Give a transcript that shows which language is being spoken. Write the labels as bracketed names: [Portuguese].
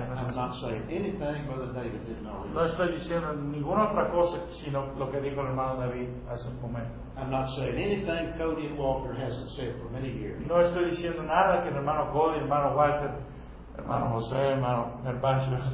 [English] I'm not saying anything Brother David did not read. [Spanish] No estoy diciendo ninguna otra cosa sino lo que dijo el hermano David hace un momento. [English] I'm not saying anything Cody and Walter hasn't said for many years. [Spanish] No estoy diciendo nada que el hermano Cody, el hermano Walter, hermano José, hermano Herbacho,